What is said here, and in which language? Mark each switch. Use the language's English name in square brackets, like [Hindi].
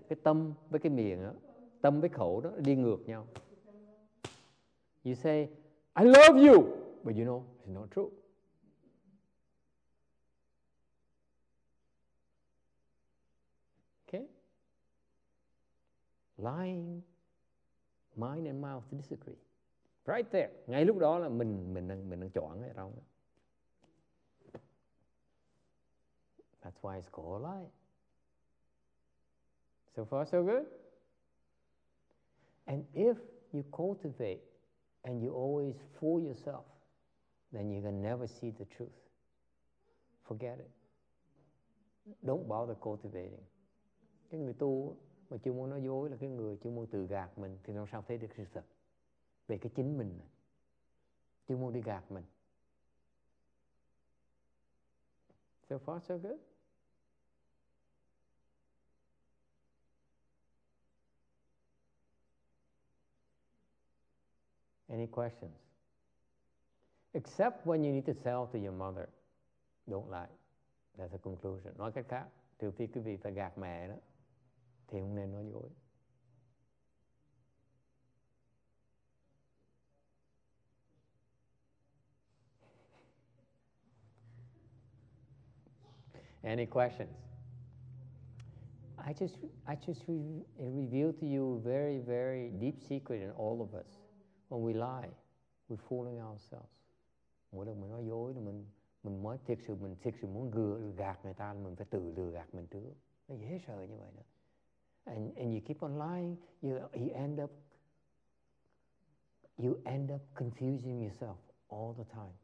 [Vietnamese] Cái tâm với cái miệng á, tâm với khẩu đó đi ngược nhau. [English] You say, I love you, but you know, it's not true. Lying, mind and mouth disagree. Right there. [Vietnamese] Ngay lúc đó là mình đang chọn ở đâu. [English] That's why it's called a lie. So far, so good. And if you cultivate and you always fool yourself, then you can never see the truth. Forget it. Don't bother cultivating. [Vietnamese] Cái người tu mà chưa muốn nói dối là cái người chưa muốn tự gạt mình thì làm sao thấy được sự thật về cái chính mình này. Chưa muốn đi gạt mình. [English] So far so good. Any questions? Except when you need to sell to your mother, don't lie. That's a conclusion. [Vietnamese] Nói cách khác, trừ phi quý vị phải gạt mẹ đó. Thì không nên nói dối. [English] Any questions? I just revealed to you a very, very deep secret in all of us. When we lie, we're fooling ourselves. [Vietnamese] Mỗi lần mình nói dối thì mình thiệt sự muốn gạt người ta, mình phải tự lừa gạt mình trước. Nó dễ sợ như vậy đó. [English] And you keep on lying, you end up confusing yourself all the time.